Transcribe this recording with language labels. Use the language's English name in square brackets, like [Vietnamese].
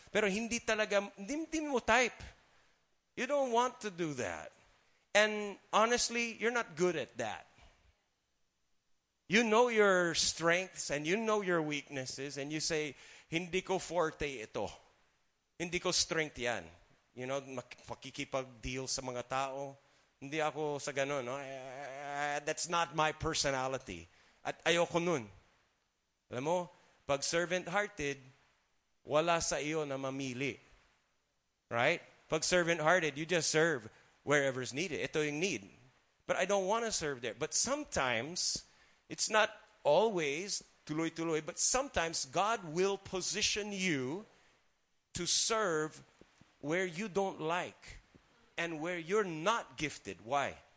[Filipino] Pero hindi talaga, hindi mo type. [English] You don't want to do that. And honestly, you're not good at that. You know your strengths and you know your weaknesses and you say, [Filipino] hindi ko forte ito. Hindi ko strength yan. [English] You know, [Filipino] makikipag-deal sa mga tao. Hindi ako sa ganun. No? [English] That's not my personality. [Filipino] At ayoko nun. Alam mo, pag servant-hearted, wala sa iyo na mamili. Right? [English] Pag servant-hearted, you just serve wherever is needed. [Filipino] Ito yung need. [English] But I don't want to serve there. But sometimes, it's not always tuloy-tuloy, but sometimes God will position you to serve where you don't like and where you're not gifted. Why?